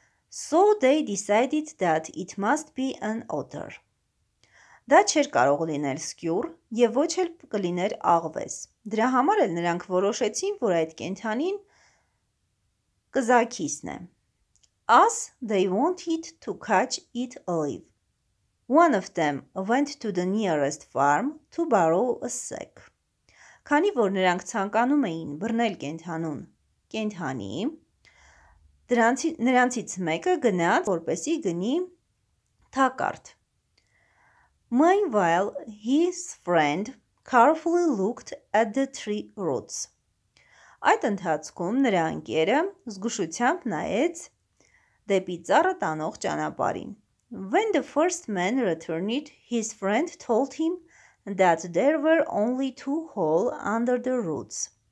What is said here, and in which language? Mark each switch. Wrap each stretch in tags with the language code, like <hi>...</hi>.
<en>So they decided that it must be an otter.</en> <hy>Դա չէր կարող լինել սկյուր եւ ոչ էլ կլիներ աղվես։ Դրա համար էլ նրանք որոշեցին, որ այդ կենդանին կզաքիսն է։</hy> <en>As they wanted to catch it alive. One of them went to the nearest farm to borrow a sack.</en> <hy>Քանի որ նրանք ցանկանում էին բռնել կենդանուն, Կենդանի նրանցից մեկը գնաց, որպեսի գնի թակարդ.</hy> <en>Meanwhile, his friend carefully looked at the tree roots.</en> <hy>Այդ ընթացքում նրա ընկերը զգուշությամբ նայեց դեպի ծառը տանող ճանապարհին.</hy> <en>When the first man returned, his friend told him that there were only two holes under the roots.</en>